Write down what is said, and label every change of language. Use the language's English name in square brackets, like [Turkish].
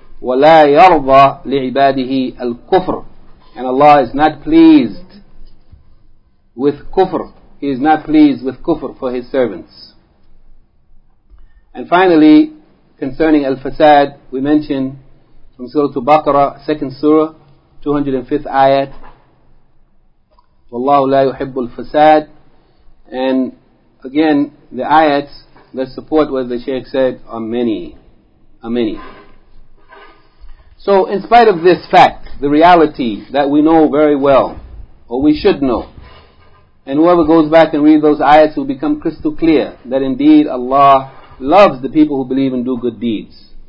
[Arabic] وَلَا يَرْضَى لِعِبَادِهِ الْكُفْرِ. [English] And Allah is not pleased with kufr. He is not pleased with kufr for His servants. And finally, concerning al-fasad, we mentioned from Surah Al-Baqarah, 2nd Surah, 205th ayat, [Arabic] وَاللَّهُ لَا يُحِبُّ الْفَسَادِ. [English] And again, the ayats that support what the Shaykh said are many, are many. So in spite of this fact, the reality that we know very well, or we should know, and whoever goes back and reads those ayats will become crystal clear that indeed Allah loves the people who believe and do good deeds.